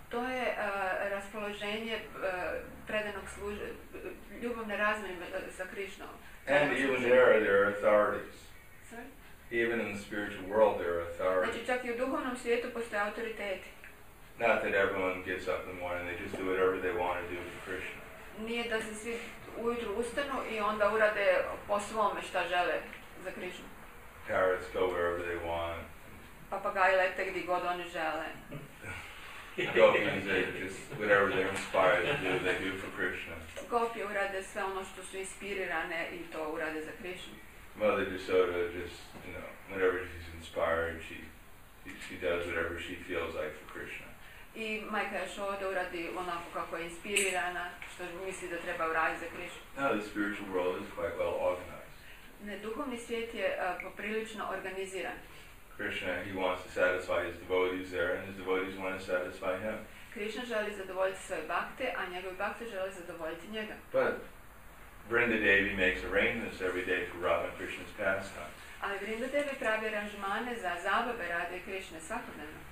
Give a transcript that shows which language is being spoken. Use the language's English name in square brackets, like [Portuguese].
[Croatian] To je raspoloženje predanog služe, ljubavne razmene sa Krishnom. [English] And even there are authorities. Sorry? Even in the spiritual world there are authorities. [Croatian] Znači čak i u duhovnom svijetu postoje autoriteti. [English] Not that everyone gets up in the morning, they just do whatever they want to do for Krishna. [Croatian] Nije da se svi ujutru ustanu i onda urade po svome šta žele za Krishnu. [English] Parrots go wherever they want. [Croatian] Papagaji lete gdje god oni žele. [English] Gopis, they just whatever they're inspired to do, they do for Krishna. [Croatian] Gopi urade sve ono što su inspirirane i to urade za Krishna. [English] Mother Yashoda just, you know, whenever she's inspired, she does whatever she feels like for Krishna. [Croatian] I majka Yashoda uradi onako kako je inspirirana, što misli da treba uraditi za Krishna. [English] Now the spiritual world is quite well organized. [Croatian] Ne, duhovni svijet je poprilično organiziran. [English] Krishna, he wants to satisfy his devotees there, and his devotees want to satisfy him. [Croatian] Krishna želi zadovoljiti svoje bhakte, a njegove bhakte žele zadovoljiti njega. [English] But Vrindadevi makes arrangements every day for Radha Krishna's pastime. [Croatian] Ali Vrindadevi pravi aranžmane za zabave Radhe Krishna svakodnevno.